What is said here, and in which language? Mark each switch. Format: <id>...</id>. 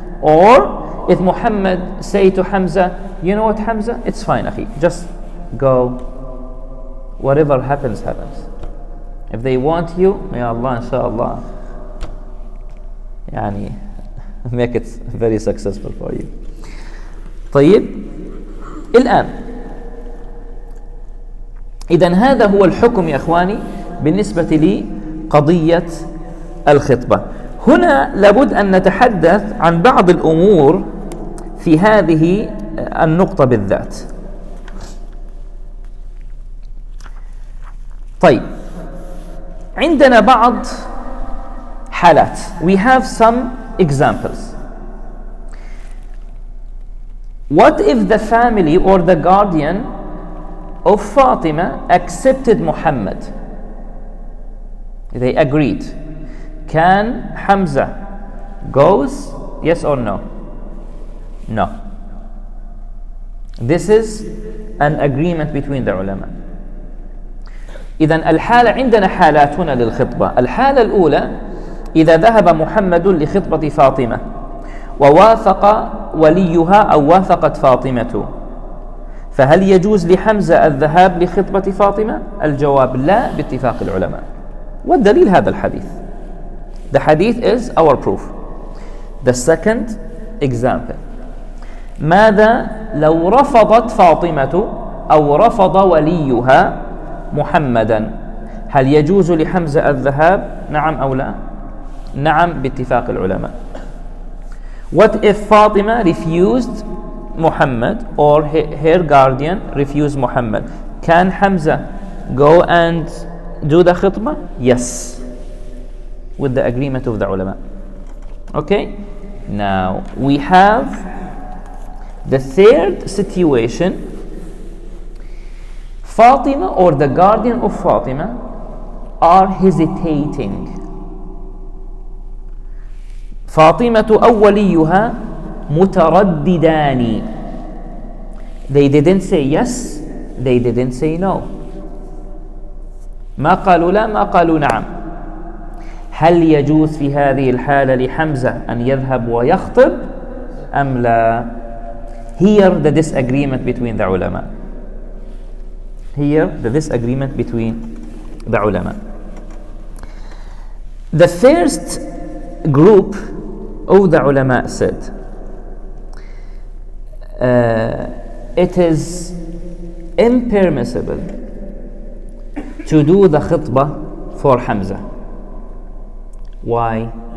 <en>Or if Muhammad say to Hamza, you know what Hamza, it's fine akhi, just go, whatever happens happens, if they want you, may Allah inshallah yani make it very successful for you.</en> <ar>طيب الان اذا هذا هو الحكم يا اخواني بالنسبه لي قضيه الخطبه. هنا لابد أن نتحدث عن بعض الأمور في هذه النقطة بالذات. طيب, عندنا بعض حالات.</ar> <en>We have some examples. What if the family or the guardian of Fatima accepted Muhammad? They agreed. Can Hamza goes, yes or no? No. This is an agreement between the ulama.</en> <ar>إذا الحالة عندنا حالاتنا للخطبة. الحالة الأولى إذا ذهب محمد لخطبة فاطمة ووافق وليها أو وافقت فاطمة, فهل يجوز لحمزة الذهاب لخطبة فاطمة؟ الجواب لا باتفاق العلماء. والدليل هذا الحديث.</ar> <en>The hadith is our proof. The second example.</en> <ar>ماذا لو رفضت فاطمة أو رفض وليها محمدا, هل يجوز لحمزة الذهاب؟ نعم أو لا؟ نعم باتفاق العلماء.</ar> <en>What if Fatima refused Muhammad or her guardian refused Muhammad, can Hamza go and do the khitbah? Yes. With the agreement of the ulama. Okay? Now, we have the third situation. Fatima or the guardian of Fatima are hesitating.</en> <ar>Fatima awwaliyuha mutaraddidani.</ar> <en>They didn't say yes, they didn't say no.</en> <ar>ما قالوا لا ما قالوا نعم. هل يجوز في هذه الحالة لحمزة أن يذهب ويخطب أم لا؟</ar> <en>Here the disagreement between the ulama. Here the disagreement between the ulama. The first group of the ulama said, it is impermissible to do the khitbah for Hamza. Why?</en>